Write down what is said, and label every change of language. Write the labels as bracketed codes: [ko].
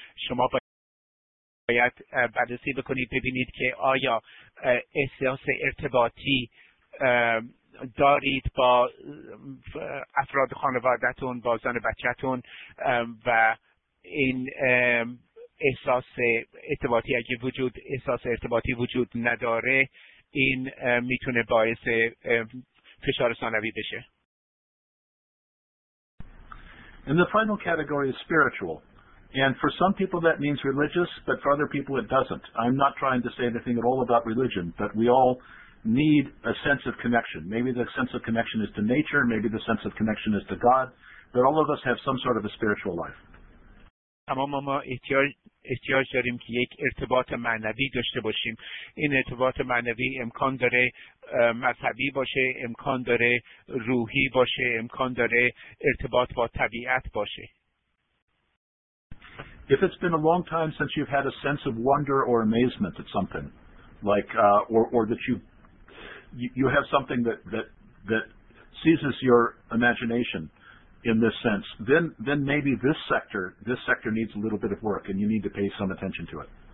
[fa] شما باید بررسی بکنید ببینید که آیا احساس ارتباطی دارید با افراد خانوادتون، با زن بچهتون و این احساس ارتباطی اگه وجود احساس ارتباطی وجود نداره این میتونه باعث فشار ثانوی بشه. [en] And the final category is spiritual. And for some people that means religious, but for other people it doesn't. I'm not trying to say anything at all about religion, but we all need a sense of connection. Maybe the sense of connection is to nature, maybe the sense of connection is to God, but all of us have some sort of a spiritual life. [fa] تمام ما احتیاج داریم که یک ارتباط معنوی داشته باشیم. این ارتباط معنوی امکان داره مذهبی باشه، امکان داره روحی باشه، امکان داره ارتباط با طبیعت باشه. [en] If it's been a long time since you've had a sense of wonder or amazement at something, like or that you have something that seizes your imagination in this sense, then maybe this sector needs a little bit of work and you need to pay some attention to it.